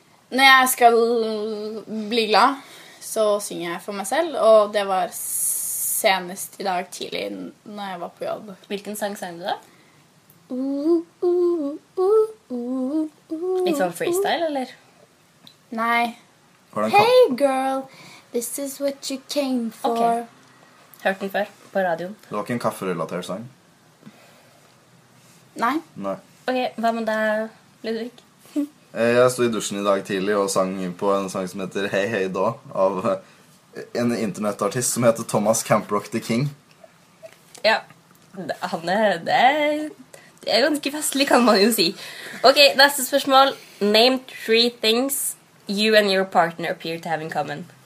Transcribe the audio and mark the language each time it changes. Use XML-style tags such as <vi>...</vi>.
<no>Når jeg skal bli glad, så synger jeg for meg selv, og det var senest i dag tidlig når jeg var på jobb. Hvilken sang sang du da? Litt sånn freestyle, eller? Nei.</no> <en>Hey girl, this is what you came for.</en> <no>Okay. Hørte den før, på radioen. Det var ikke en kafferelatert sang. Nei. Nei. Ok, hva med deg, Ludvig? Jeg stod i dusjen i dag tidlig og sang på en sang som heter Hey Hey Da av en internettartist som heter Thomas Camprock the King. Ja, han det er ganske festlig, kan man jo si. Ok, neste spørsmål.</no> <en>Name three things you and your partner appear to have in common.</en>